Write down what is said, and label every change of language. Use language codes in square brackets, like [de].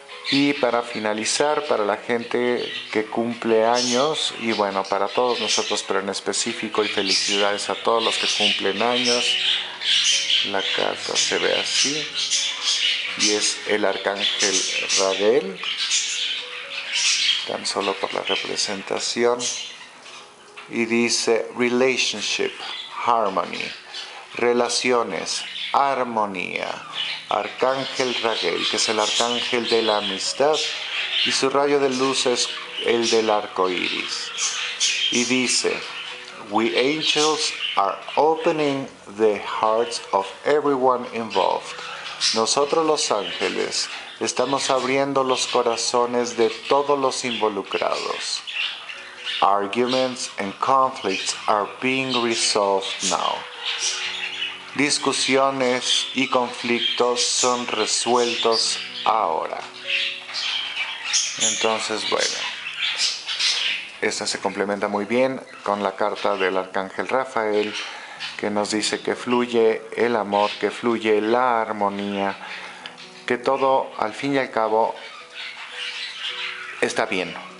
[es] Y para finalizar, para la gente que cumple años, y bueno, para todos nosotros, pero en específico, y felicidades a todos los que cumplen años, la carta se ve así, y es el arcángel Raguel, tan solo por la representación, y dice [en] relationship, harmony, [es] relaciones, armonía. Arcángel Raguel, que es el arcángel de la amistad, y su rayo de luz es el del arco iris. Y dice: [en] We angels are opening the hearts of everyone involved. [es] Nosotros los ángeles estamos abriendo los corazones de todos los involucrados. [en] Arguments and conflicts are being resolved now. [es] Discusiones y conflictos son resueltos ahora. Entonces, bueno, esta se complementa muy bien con la carta del arcángel Rafael, que nos dice que fluye el amor, que fluye la armonía, que todo, al fin y al cabo, está bien.